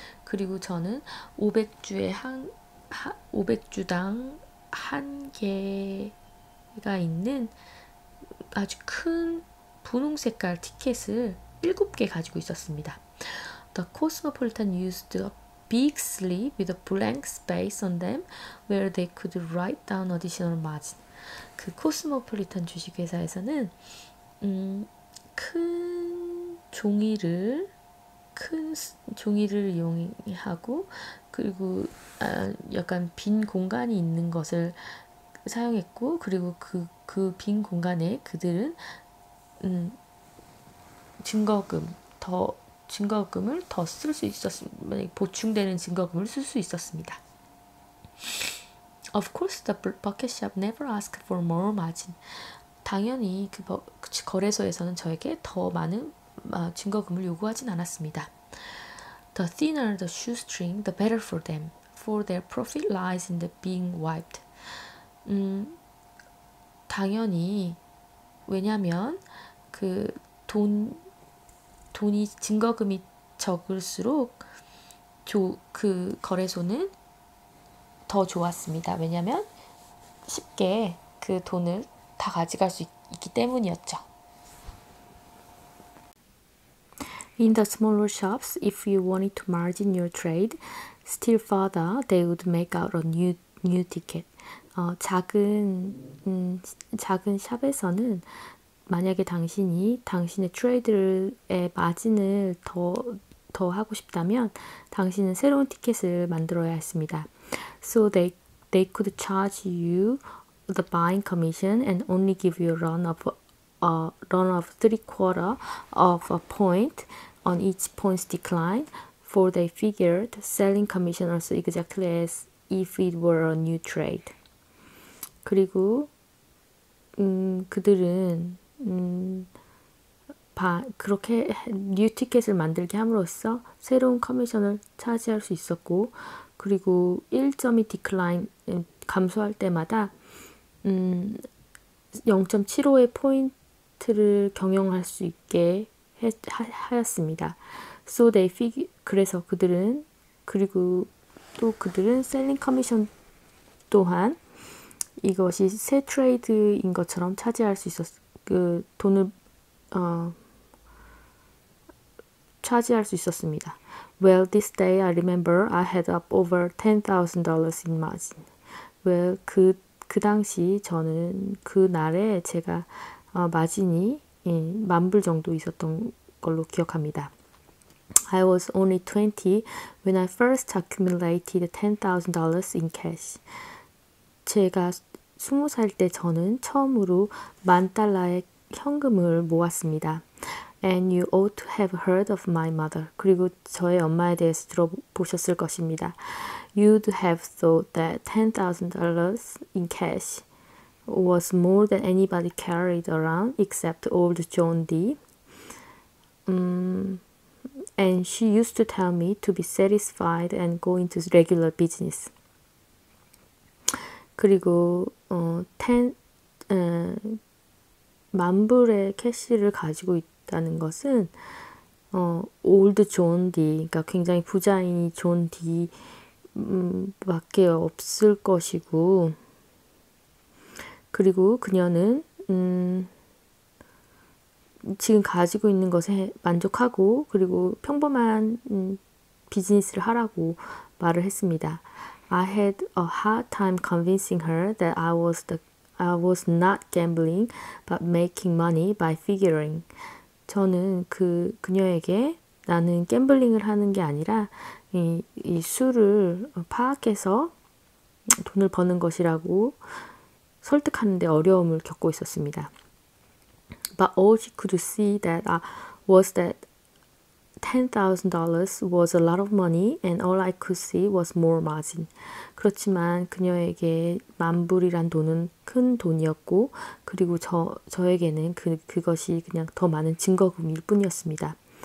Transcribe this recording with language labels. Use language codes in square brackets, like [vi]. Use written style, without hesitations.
[ko] 그리고 저는 500주당 한 개가 있는 아주 큰 분홍 색깔 티켓을 7개 가지고 있었습니다. [en] The Cosmopolitan used a big sleeve with a blank space on them where they could write down additional margin. [ko] 그 Cosmopolitan 주식회사에서는 큰 종이를 이용하고, 그리고 약간 빈 공간이 있는 것을 사용했고, 그리고 그 빈 공간에 그들은 증거금을 더 쓸 수 있었습니다. 보충되는 증거금을 쓸 수 있었습니다. [en] Of course, the bucket shop never asked for more margin. [ko] 당연히 그 거래소에서는 저에게 더 많은 증거금을 요구하진 않았습니다. [en] The thinner the shoestring, the better for them. For their profit lies in the being wiped. [ko] 당연히 왜냐하면 그 돈이 증거금이 적을수록 그 거래소는 더 좋았습니다. 왜냐하면 쉽게 그 돈을 다 가져갈 수 있기 때문이었죠. [en] In the smaller shops, if you wanted to margin your trade still further, they would make out a new ticket. [ko] 작은 샵에서는 만약에 당신이 당신의 트레이드의 마진을 더 하고 싶다면 당신은 새로운 티켓을 만들어야 했습니다. [en] So they could charge you the buying commission and only give you a run of 3/4 of a point on each point's decline, for they figured selling commission also exactly as if it were a new trade. [ko] 그리고 그들은 그렇게 뉴 티켓을 만들게 함으로써 새로운 커미션을 차지할 수 있었고, 그리고 1점이 디클라인 감소할 때마다 0.75의 포인트를 경영할 수 있게 하였습니다. [en] So they figure [ko] 그래서 그들은 그리고 또 그들은 셀링 커미션 또한 이것이 새 트레이드인 것처럼 차지할 수 있었 그 돈을 어 차지할 수 있었습니다. [en] Well, this day I remember I had up over $10,000 in margin. [ko] Well, 그 당시 저는 그 날에 제가 마진이 예, 만불 정도 있었던 걸로 기억합니다. [en] I was only 20 when I first accumulated $10,000 in cash. [ko] 제가 20살 때 저는 처음으로 만 달러의 현금을 모았습니다. [en] And you ought to have heard of my mother. [ko] 그리고 저의 엄마에 대해서 들어보셨을 것입니다. [en] You'd have thought that $10,000 in cash was more than anybody carried around except old John D. And she used to tell me to be satisfied and go into regular business. [ko] 그리고 만 불의 캐시를 가지고 있다는 것은 올드 존 D, 그러니까 굉장히 부자인 존 D 밖에 없을 것이고 그리고 그녀는 지금 가지고 있는 것에 만족하고 그리고 평범한 비즈니스를 하라고 말을 했습니다. [en] I had a hard time convincing her that I was not gambling but making money by figuring. [ko] 저는 그녀에게 나는 갬블링을 하는 게 아니라 이 수를 파악해서 돈을 버는 것이라고 설득하는 데 어려움을 겪고 있었습니다. [en] But all she could see that was that $10,000 was a lot of money and all I could see was more margin. [ko] 그렇지만 그녀에게 만불이란 돈은 큰 돈이었고 그리고 저에게는 그것이 그냥 더 많은 증거금일 뿐이었습니다.